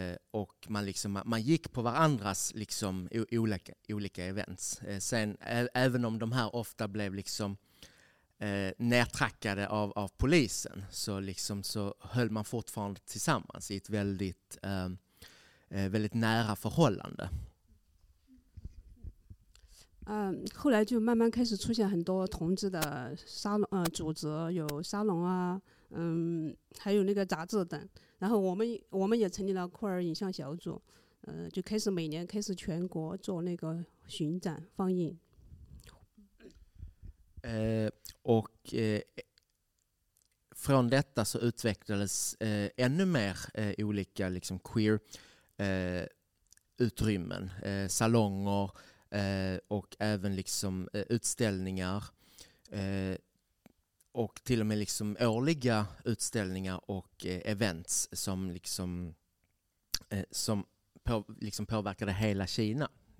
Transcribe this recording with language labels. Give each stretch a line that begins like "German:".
Swedish: Och man gick på varandras liksom olika events. Sen även om de här ofta blev liksom nedtrackade av polisen, så liksom så höll man fortfarande tillsammans i ett väldigt väldigt nära förhållande.
Chinese: 后来就慢慢开始出现很多同志的沙龙组织，有沙龙啊，还有那个杂志等。然后我们也成立了酷儿影像小组，就开始每年开始全国做那个巡展放映。
Swedish: Och från detta så utvecklades ännu mer olika liksom queer utrymmen, salonger och även liksom utställningar och till och med liksom årliga utställningar och events som liksom liksom påverkade hela Kina.